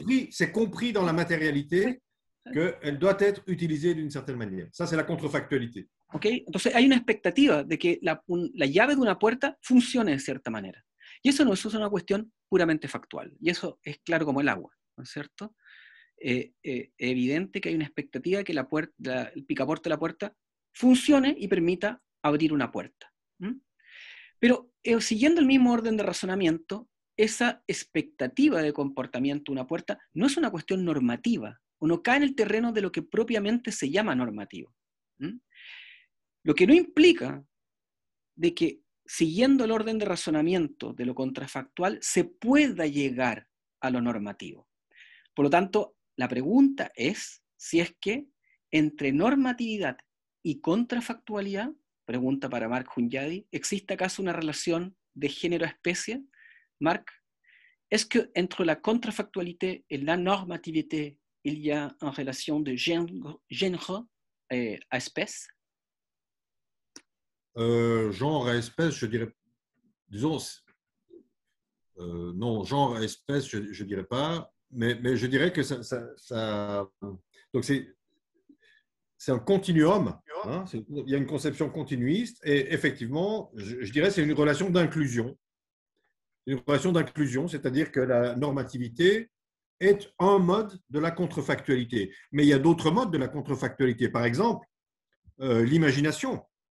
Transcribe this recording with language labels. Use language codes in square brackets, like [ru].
[fr] C'est compris dans la matérialité. Oui. Qu'elle doit être utilisée d'une certaine manière. Ça, c'est la contrefactualité. Ok, donc il y a une expectative de que [es] la llave [fr] d'une [es] puerta [fr] fonctionne de certaine manière. Et ça, non, c'est une question purement factuelle. Et ça, c'est clair comme l'eau, [es] ¿no es cierto? evidente que hay una expectativa de que la puerta, el picaporte de la puerta funcione y permita abrir una puerta. Pero siguiendo el mismo orden de razonamiento, esa expectativa de comportamiento de una puerta no es una cuestión normativa, uno cae en el terreno de lo que propiamente se llama normativo. Lo que no implica de que, siguiendo el orden de razonamiento de lo contrafactual, se pueda llegar a lo normativo. Por lo tanto, la pregunta es si es que entre normatividad y contrafactualidad, pregunta para Marc Hunyadi, ¿existe acaso una relación de género a especie? [fr] Marc, [es] ¿es que entre [fr] la contrafactualité [es] y [fr] la normativité il y a une relation de genre à espèce? Genre à espèce, je dirais, disons, non, genre à espèce, je dirais pas, mais je dirais que ça donc c'est un continuum, hein, il y a une conception continuiste, et effectivement, je dirais c'est une relation d'inclusion, c'est-à-dire que la normativité est un mode de la contrefactualité, mais il y a d'autres modes de la contrefactualité, par exemple, l'imagination.